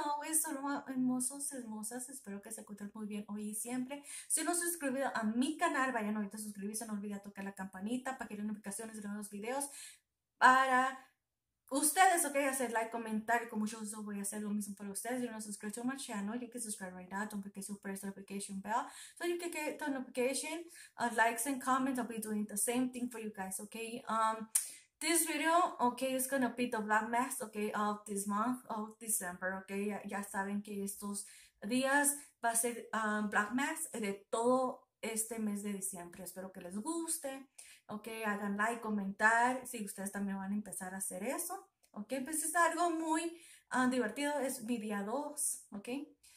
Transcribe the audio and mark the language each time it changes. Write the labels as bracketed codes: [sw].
[es] espero que se encuentren muy bien hoy y siempre. Si no se han suscrito a mi canal, vayan ahorita a suscribirse, no olviden tocar la campanita para que den notificaciones de nuevos videos. Para ustedes, ok, hacer like, comentar, con mucho gusto voy a hacer lo mismo para ustedes. Si no se han suscrito a mi canal, [en] you can subscribe right now, don't forget to press the notification bell, so you can get the notification of likes and comments. I'll be doing the same thing for you guys, ok. This video, okay, is gonna be the black mass, okay, of this month of December, okay. [es] Ya saben que estos días va a ser black mass de todo este mes de diciembre. Espero que les guste, okay. Hagan like, comentar, si ustedes también van a empezar a hacer eso, okay. Pues es algo muy divertido. Es mi día 2, okay.